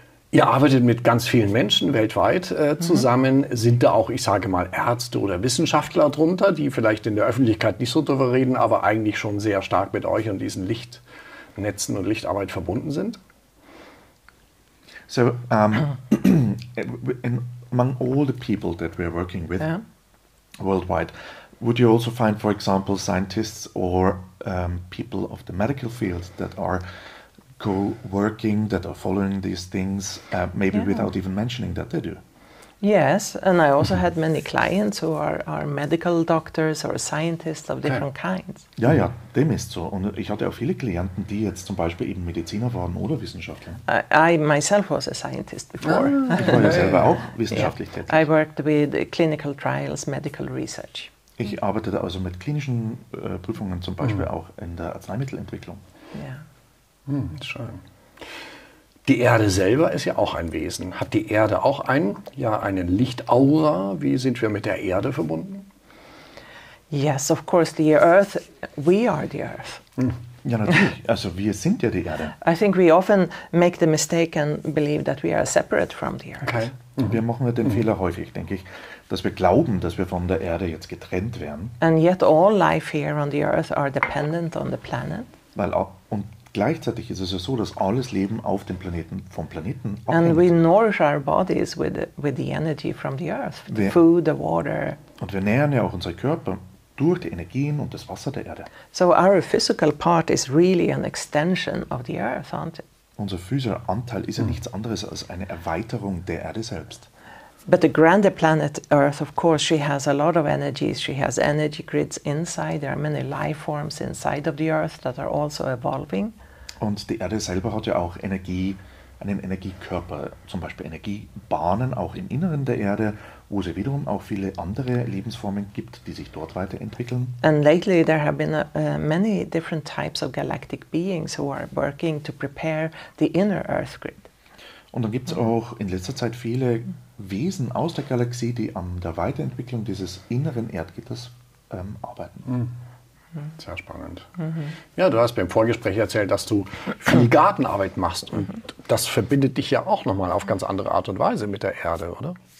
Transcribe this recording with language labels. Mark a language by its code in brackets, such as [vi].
[de] Ihr arbeitet mit ganz vielen Menschen weltweit zusammen. Sind da auch, ich sage mal, Ärzte oder Wissenschaftler drunter, die vielleicht in der Öffentlichkeit nicht so drüber reden, aber eigentlich schon sehr stark mit euch und diesen Lichtnetzen und Lichtarbeit verbunden sind? [en] So, among all the people that we're working with worldwide, would you also find, for example, scientists or people of the medical field that are co-working, that are following these things, maybe without even mentioning that they do? Yes, and I also had many clients who are medical doctors or scientists of different kinds. [de] Ja, ja, dem ist so. Und ich hatte auch viele Klienten, die jetzt zum Beispiel eben Mediziner waren oder Wissenschaftler. [en] I myself was a scientist before. [de] Ich war ja selber auch wissenschaftlich tätig. [en] I worked with clinical trials, medical research. [de] Ich arbeitete also mit klinischen Prüfungen zum Beispiel auch in der Arzneimittelentwicklung. Ja. Schön. Die Erde selber ist ja auch ein Wesen. Hat die Erde auch eine Lichtaura? Wie sind wir mit der Erde verbunden? [en] Yes, of course, the Earth, we are the Earth. [de] Ja, natürlich. Also wir sind ja die Erde. [en] I think we often make the mistake and believe that we are separate from the Earth. Okay. [de] Wir machen ja den Fehler häufig, denke ich, dass wir glauben, dass wir von der Erde jetzt getrennt werden. [en] And yet all life here on the Earth are dependent on the planet. [de] Gleichzeitig ist es ja so, dass alles Leben auf dem Planeten vom Planeten abhängt. [en] And we nourish our bodies with the energy from the earth, the food, the water. [de] Und wir nähren ja auch unsere Körper durch die Energien und das Wasser der Erde. [en] So our physical part is really an extension of the earth, aren't it? [de] Unser physischer Anteil ist ja nichts anderes als eine Erweiterung der Erde selbst. [en] But the grander planet Earth, of course, she has a lot of energies. She has energy grids inside. There are many life forms inside of the Earth that are also evolving. [de] Und die Erde selber hat ja auch Energie, einen Energiekörper, zum Beispiel Energiebahnen auch im Inneren der Erde, wo es wiederum auch viele andere Lebensformen gibt, die sich dort weiterentwickeln. [en] And lately there have been many different types of galactic beings who are working to prepare the inner Earth grid. [de] Und dann gibt es auch in letzter Zeit viele Wesen aus der Galaxie, die an der Weiterentwicklung dieses inneren Erdgitters arbeiten. Sehr spannend. Ja, du hast mir im Vorgespräch erzählt, dass du viel Gartenarbeit machst. Und das verbindet dich ja auch nochmal auf ganz andere Art und Weise mit der Erde, oder?